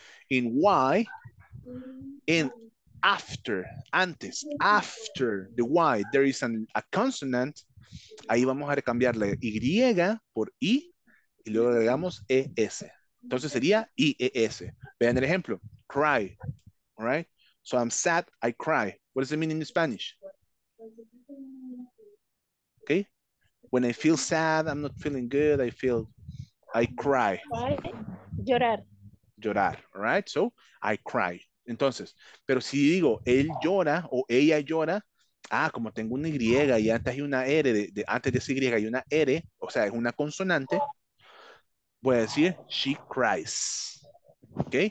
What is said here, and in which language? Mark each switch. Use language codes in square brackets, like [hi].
[en] In Y, in after, antes, after the Y, there is a consonant. [es] Ahí vamos a recambiar la Y por I y luego agregamos ES. Entonces sería IES. Vean el ejemplo. Cry. All right? [en] So I'm sad, I cry. What does it mean in Spanish? Okay? When I feel sad, I'm not feeling good, I feel, I cry. [es] Llorar. [en] Llorar. All right? So I cry. [es] Entonces, pero si digo él llora o ella llora, ah, como tengo una Y y antes hay una R, antes de esa Y hay una R, o sea, es una consonante. [en] Voy a decir, she cries. ¿Ok?